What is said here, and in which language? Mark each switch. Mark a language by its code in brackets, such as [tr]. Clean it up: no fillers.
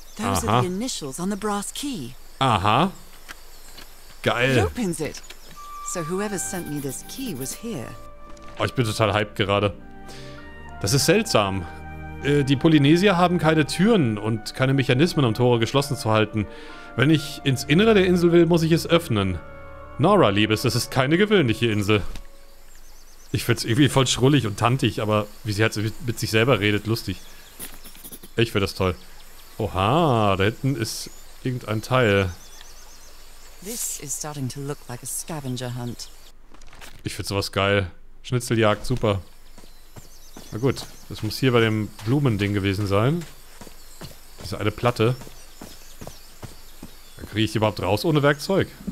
[en] Those are the initials on the brass key. [de] Aha. Geil. [en] It opens it. So whoever sent me this key was here. [de] Oh, ich bin total hyped gerade. Das ist seltsam. Die Polynesier haben keine Türen und keine Mechanismen, um Tore geschlossen zu halten. Wenn ich ins Innere der Insel will, muss ich es öffnen. Nora, Liebes, das ist keine gewöhnliche Insel. Ich find's irgendwie voll schrullig und tantig, aber wie sie halt mit sich selber redet, lustig. Ich find das toll. Oha, da hinten ist irgendein Teil. [en] This is starting to look like a scavenger hunt. [de] Ich find sowas geil. Schnitzeljagd, super. Na gut, das muss hier bei dem Blumending gewesen sein. Diese eine Platte. Da kriege ich die überhaupt raus ohne Werkzeug?